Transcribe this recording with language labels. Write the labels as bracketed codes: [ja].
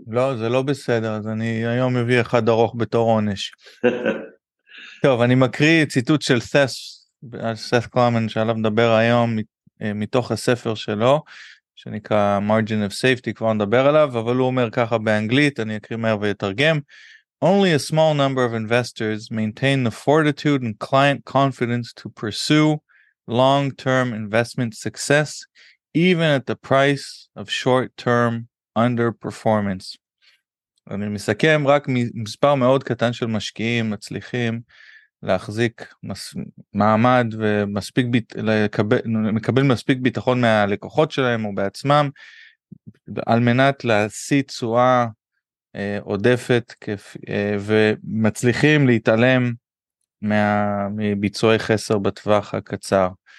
[he] לא, זה לא בסדר, אז אני היום מביא אחד ארוך בתור עונש. טוב, אני מקריא ציטוט של סת קורמן שעליו מדבר היום מתוך הספר שלו, שנקרא Margin of Safety, כבר נדבר עליו, אבל הוא אומר ככה באנגלית, אני אקריא מהר ויתרגם. [en] Only a small number of investors maintain the fortitude and client confidence to pursue long-term investment success, even at the price of short-term underperformance. [he] אני מסכם, רק מספר מאוד קטן של משקיעים מצליחים להחזיק מעמד ומספיק מקבל מספיק ביטחון מהלקוחות שלהם או בעצמם, על מנת להשיא תשואה עודפת ומצליחים להתעלם מביצועי חסר בטווח הקצר.